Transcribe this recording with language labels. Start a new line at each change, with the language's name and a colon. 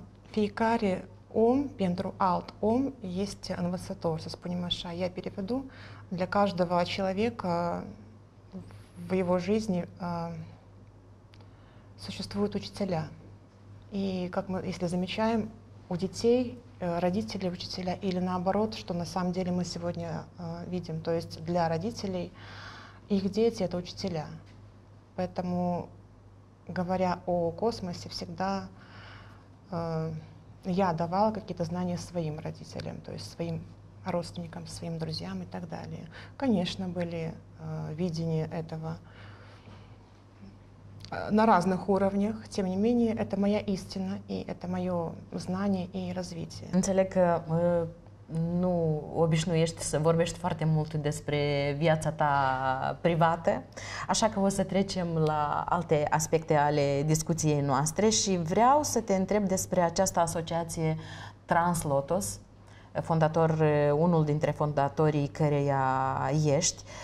Romanian: Fiecare om, pentru alt om, este învățător, să spunem așa.
Russian: Я переведу. Для каждого человека в его жизни существуют учителя. И, как мы, если замечаем, у детей родители учителя или наоборот, что на самом деле мы сегодня видим. То есть для родителей их дети — это учителя. Поэтому, говоря о космосе, всегда я давала какие-то знания своим родителям, то есть своим родственникам, своим друзьям и так далее. Конечно, были видения этого на разных уровнях. Тем не менее, это моя истина, и это мое знание и развитие.
Romanian: Înțeleg că nu obișnuiești să vorbești foarte mult despre viața ta privată, așa că o să trecem la alte aspecte ale discuției noastre și vreau să te întreb despre această asociație Translotos, fondator, unul dintre fondatorii căreia ești.